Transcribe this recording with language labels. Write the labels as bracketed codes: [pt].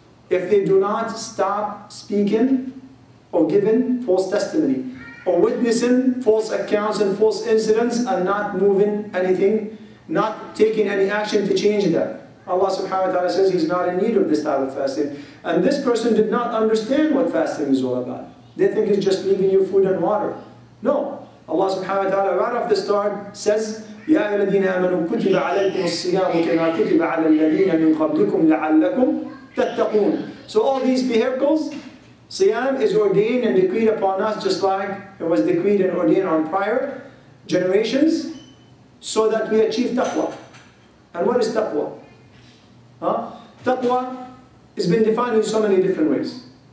[en] If they do not stop speaking or giving false testimony, or witnessing false accounts and false incidents and not moving anything, not taking any action to change that. Allah subhanahu wa ta'ala says He's not in need of this type of fasting. And this person did not understand what fasting is all about. They think it's just leaving you food and water. No. [ar] Allah subhanahu wa ta'ala right off the start says, يَا أَيُّهَا آمَنُوا كُتِبَ عَلَيْكُمُ الصِّيَامُ كَمَا كُتِبَ عَلَى الَّذِينَ مِنْ قَبْلِكُمْ لَعَلَّكُمْ تَتَّقُونَ. [en] So all these vehicles, siyam is ordained and decreed upon us just like it was decreed and ordained on prior generations so that we achieve taqwa. And what is taqwa? Huh? Taqwa has been defined in so many different ways.